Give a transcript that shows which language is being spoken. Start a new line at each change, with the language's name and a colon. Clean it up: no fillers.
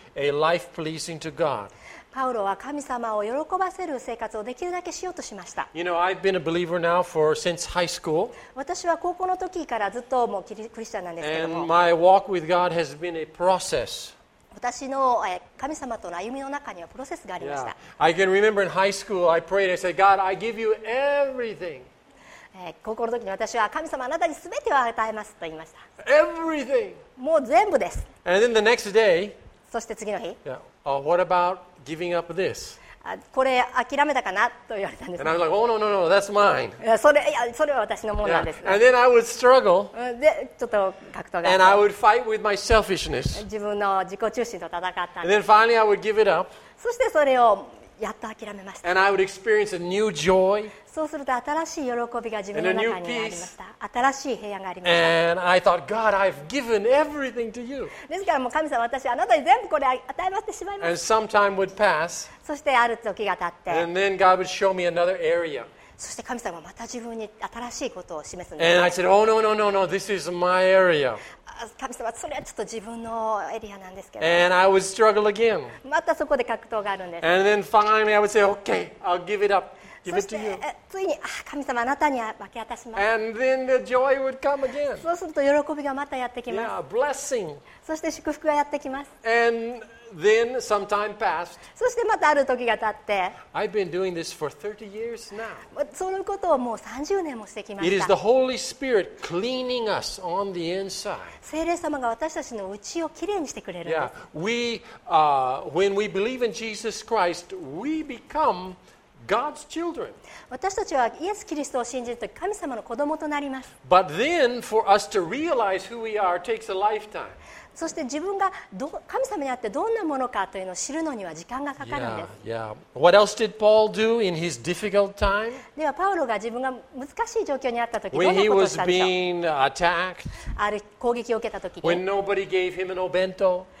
English: A life pleasing to God.
Japanese: パウロは神様を喜ばせる生活をできるだけしようとしました。
English: You know, I've been a believer now for since high school.
Japanese: 私は高校の時からずっともうクリスチャンなんですけども。
English: And my walk with God has been a process.
Japanese: 私の神様との歩みの中にはプロセスがありました。
English: Yeah. I can remember in high school, I prayed, I said, God, I give you everything.
Japanese: 高校の時に私は神様あなたに全てを与えますと言いました。
English: Everything.
Japanese: もう全部です。
English: And then the next day,
Japanese: そして次の日、
English: yeah. What about giving up this?
Japanese: これ諦めたかなと言われたんです。
English: And I was like, oh no, no, no, that's mine.
Japanese: それは私のものなんです。
English: Yeah. And then I would struggle.
Japanese: で、ちょっと格闘が。
English: And I would fight with my selfishness.
Japanese: 自分の自己中心と戦ったんです。
English: And then finally I would give it up.
Japanese: そしてそれをやっと諦めました。
English: And I would experience a new joy.
Japanese: そうすると新しい喜びが自分の中にありました。新しい平安がありました。
English: And I thought, God, I've given everything to you.
Japanese: ですからもう神様、私あなたに全部これ与えましてしまいました。
English: And some time would pass.
Japanese: そしてある時が経って。
English: And then God would show me another area.
Japanese: そして神様また自分に新しいことを示すんです。
English: And I said, Oh no, no, no, no, this is my area.
Japanese: 神様、それはちょっと自分のエリアなんですけど。
English: And I would struggle again.
Japanese: またそこで格闘があるんです。
English: And then finally I would say, Okay, I'll give it up. Give it to you.
Japanese: ついに、神様、あなたに分け渡します。
English: And then the joy would come again.
Japanese: そうすると喜びがまたやってきます。
English: Yeah, blessing.
Japanese: そして祝福がやってきます。
English: And then some time passed.
Japanese: そしてまたある時が経って。
English: I've been doing this for 30 years now.
Japanese: そのことをもう30年もしてきました。
English: It is the Holy Spirit cleaning us on the inside.
Japanese: 聖霊様が私たちの内をきれいにしてくれるんです。
English: Yeah. We, when we believe in Jesus Christ, we become God's children.
Japanese: 私たちはイエス・キリストを信じると神様の子供となります。
English: But then, for us to realize who we are takes a lifetime.
Japanese: そして自分が神様にあってどんなものかというのを知るのには時間がかかるんです。
English: Yeah. Yeah. What else did Paul do in his difficult time?
Japanese: ではパウロが自分が難しい状況にあった時、
English: when、
Japanese: どんなことをしたでしょう。
English: When he was being attacked.
Japanese: ある攻撃を受けた時。
English: When nobody gave him an obento.